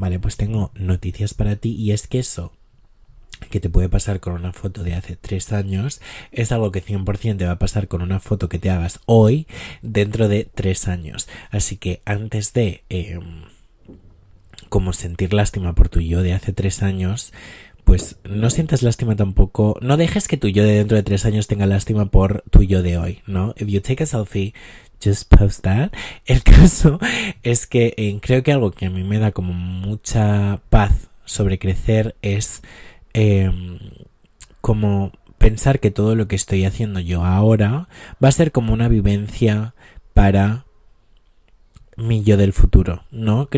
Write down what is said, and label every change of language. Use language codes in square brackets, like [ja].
[es] Vale, pues tengo noticias para ti y es que eso que te puede pasar con una foto de hace 3 años, es algo que 100% te va a pasar con una foto que te hagas hoy dentro de 3 años. Así que antes de como sentir lástima por tu yo de hace 3 años, pues no sientas lástima tampoco. No dejes que tu yo de dentro de 3 años tenga lástima por tu yo de hoy, ¿no? [en] If you take a selfie, just post that. [es] El caso es que creo que algo que a mí me da como mucha paz sobre crecer es como pensar que todo lo que estoy haciendo yo ahora va a ser como una vivencia para mi yo del futuro, ¿no?